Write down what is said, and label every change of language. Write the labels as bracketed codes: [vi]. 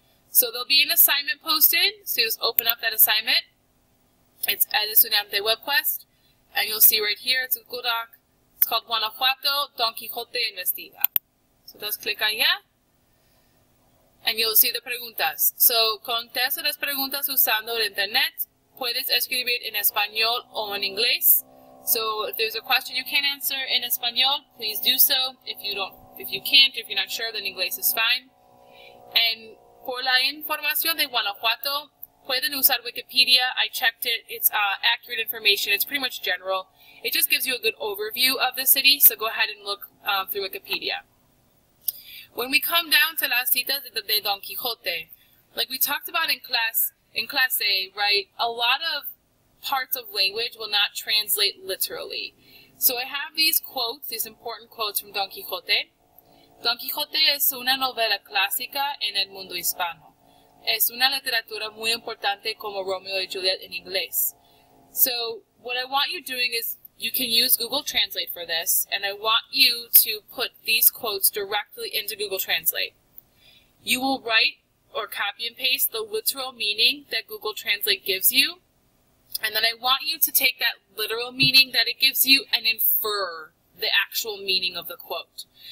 [en] So there'll be an assignment posted, so just open up that assignment. It's El Estudiante web quest, and you'll see right here, it's a Google Doc. It's called Guanajuato, Don Quijote Investiga. So just click on yeah, and you'll see the preguntas. [es] So contesta las preguntas usando el internet. Puedes escribir en español o en inglés. [en] So if there's a question you can't answer in español, please do so. If you can't, if you're not sure, then inglés is fine. [es] And por la información de Guanajuato, pueden usar Wikipedia. [en] I checked it. It's accurate information. It's pretty much general. It just gives you a good overview of the city. So go ahead and look through Wikipedia. When we come down to [es] las citas de Don Quijote, [en] like we talked about in class A, right? A lot of parts of language will not translate literally. So I have these quotes, these important quotes from Don Quijote. [es] Don Quijote es una novela clásica en el mundo hispano. Es una literatura muy importante como Romeo y Juliet en inglés. [en] So what I want you doing is you can use Google Translate for this, and I want you to put these quotes directly into Google Translate. You will write or copy and paste the literal meaning that Google Translate gives you, and then I want you to take that literal meaning that it gives you and infer the actual meaning of the quote.